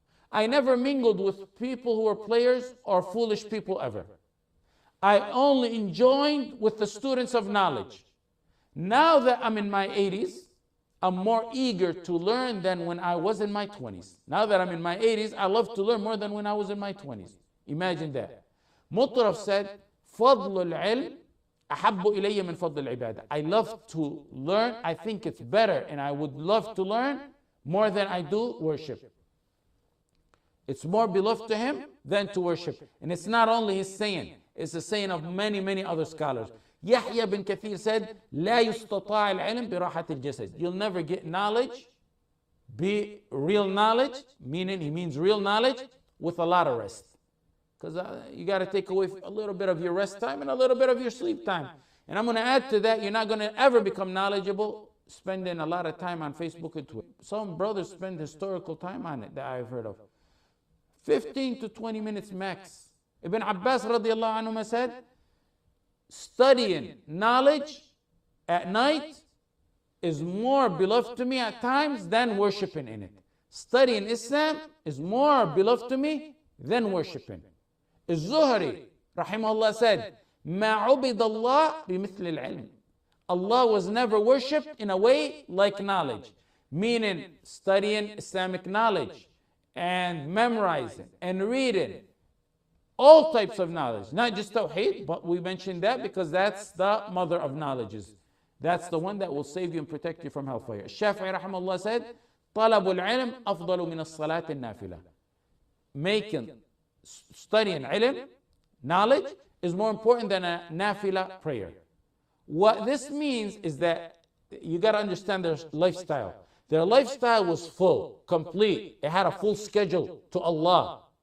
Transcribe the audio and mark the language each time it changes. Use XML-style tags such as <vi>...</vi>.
<en>I never mingled with people who were players or foolish people ever. I only enjoined with the students of knowledge. Now that I'm in my 80s, I'm more eager to learn than when I was in my 20s. Now that I'm in my 80s, I love to learn more than when I was in my 20s. Imagine that. Mutarraf said,</en> <ar>فَضْلُ الْعِلْمِ أَحَبُّ إِلَيَّ مِنْ فَضْلِ الْعِبَادَةِ.</ar> <en>I love to learn, I think it's better, and I would love to learn more than I do worship. It's more beloved to him than to worship. And it's not only his saying, it's the saying of many, many other scholars. Yahya bin Kathir said,</en> <ar>لا يستطاع العلم براحة الجسد.</ar> <en>You'll never get knowledge, be real knowledge, meaning he means real knowledge, with a lot of rest. Because you got to take away a little bit of your rest time and a little bit of your sleep time. And I'm going to add to that, you're not going to ever become knowledgeable spending a lot of time on Facebook and Twitter. Some brothers spend historical time on it that I've heard of. 15 to 20 minutes max. Ibn Abbas radiallahu anhu said, studying knowledge at night is more beloved to me at times than worshiping in it. Studying Islam is more beloved to me than worshiping. Az-Zuhri rahimahullah said,</en> <ar>مَا عُبِدَ اللَّهُ بِمِثْلِ الْعِلْمِ.</ar> <en>Allah was never worshipped in a way like knowledge, meaning studying Islamic knowledge and memorizing and reading all types of knowledge, not just tawheed, but we mentioned that because that's the mother of knowledges. That's the one that will save you and protect you from hellfire. Shafi'i rahimahullah said,</en> <ar>طَلَبُ الْعِلْمِ أَفْضَلُ مِنَ الصَّلَاةِ النَّافِلَةِ.</ar> <en>Making, studying ilm, knowledge, is more important than a nafila prayer. What this means is that you got to understand their lifestyle. Their lifestyle was full, complete. It had a full schedule to Allah.</en>